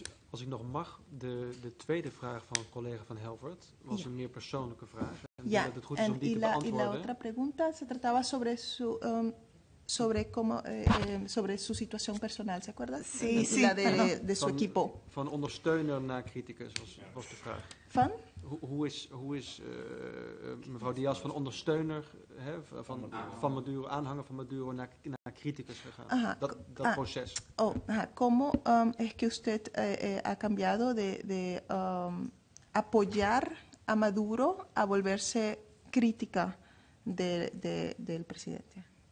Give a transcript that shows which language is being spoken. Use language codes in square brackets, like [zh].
[nl] Als ik nog mag, de tweede vraag van collega van Helvert was een meer persoonlijke vraag. [es] Ja, en la otra pregunta se trataba sobre su sobre cómo sobre su situación personal, ¿se acuerda? Sí, y sí. La de su equipo. [nl] Van ondersteuner naar criticus was de vraag. Van? Hoe is mevrouw Diaz van ondersteuner van Maduro, aanhanger van Maduro naar criticus gegaan? Dat proces. [es] Oh, ¿cómo es que usted ha cambiado de apoyar a Maduro a volverse crítica del presidente?